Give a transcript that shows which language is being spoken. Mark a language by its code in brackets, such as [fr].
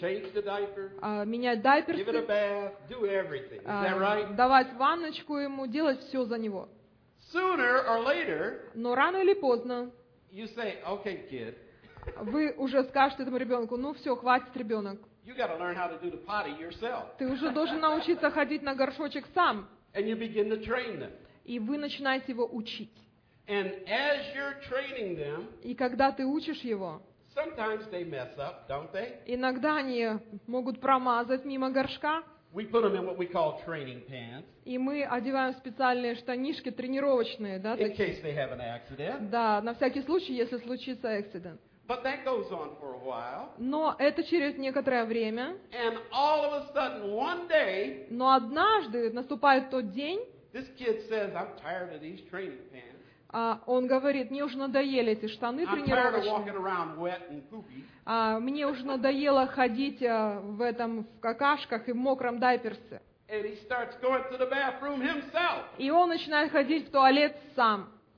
[en] change the diaper, [ru] менять дайперсы, [en] give it a bath, do everything. Is that right? [ru] Давать ванночку ему, делать все за него. [en] Sooner or later, [ru] но рано или поздно [en] you say, okay, kid. [ru] Вы уже скажете этому ребенку, ну все, хватит, ребенок. [en] You gotta learn how to do the potty yourself. [ru] Ты уже должен научиться ходить на горшочек сам. [en] And you begin to train them. [ru] И вы начинаете его учить. [en] And as you're training them, [ru] и когда ты учишь его, [en] sometimes they mess up, don't they? [ru] Иногда они могут промазать мимо горшка. [en] We put them in what we call training pants. [ru] И мы одеваем специальные штанишки тренировочные, да? [en] In case they have an accident. [ru] Да, на всякий случай, если случится accident. [en] But that goes on for a while. [ru] Но это через некоторое время. [en] And all of a sudden, one day. [ru] Но однажды наступает тот день. [en] This kid says, "I'm tired of these training pants." [ru] Он говорит, мне уже надоели эти штаны тренировочные. Мне уже надоело ходить в этом в какашках и в мокром дайперсе. И он начинает ходить в туалет сам.